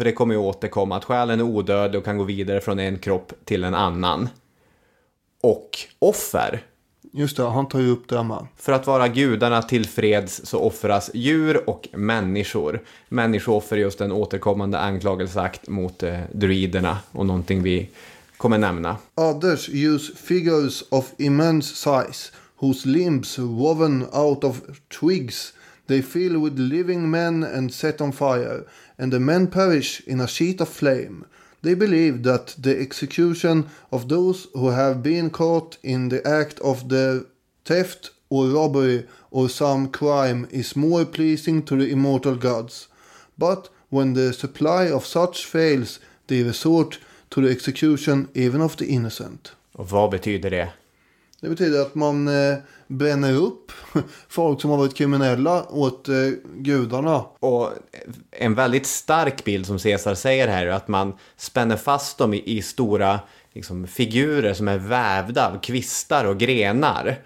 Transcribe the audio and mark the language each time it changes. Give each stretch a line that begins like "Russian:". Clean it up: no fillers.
Swedish: För det kommer ju återkomma att själen är odödlig och kan gå vidare från en kropp till en annan. Och offer. Just det, han tar ju upp det man. För att vara gudarna till freds så offras djur och människor. Människooffer är just en återkommande anklagelseakt mot druiderna och någonting vi kommer nämna.
English: Others use figures of immense size, whose limbs woven out of twigs, they fill with living men and set on fire, and the men perish in a sheet of flame. They believe that the execution of those who have been caught in the act of the theft or robbery or some crime is more pleasing to the immortal gods. But when the supply of such fails, they resort to the execution even of the innocent.
Swedish: Och vad betyder det? Det betyder att man bränner upp folk som har varit kriminella åt gudarna. Och en väldigt stark bild som Caesar säger här är att man spänner fast dem i stora liksom, figurer som är vävda av kvistar och grenar.